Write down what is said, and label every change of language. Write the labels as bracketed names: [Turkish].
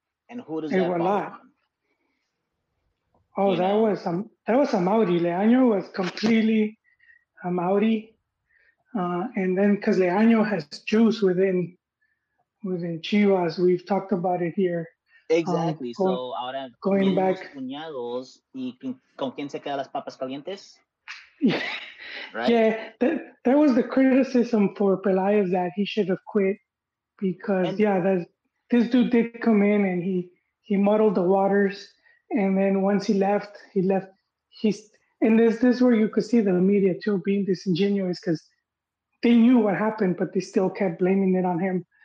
[English] And who does it that fall on? Oh, you that know. Was that was Amaury. Leaño was completely Amaury. And then because Leaño has juice within Chivas, we've talked about it here. Exactly. So ahora going back. [Spanish] Cuñados y con quién se quedan las papas calientes? [English] Right? Yeah, there was the criticism for Peláez that he should have quit because, this dude did come in and he muddled the waters. And then once he left, this is where you could see the media too being disingenuous because they knew what happened, but they still kept blaming it on him.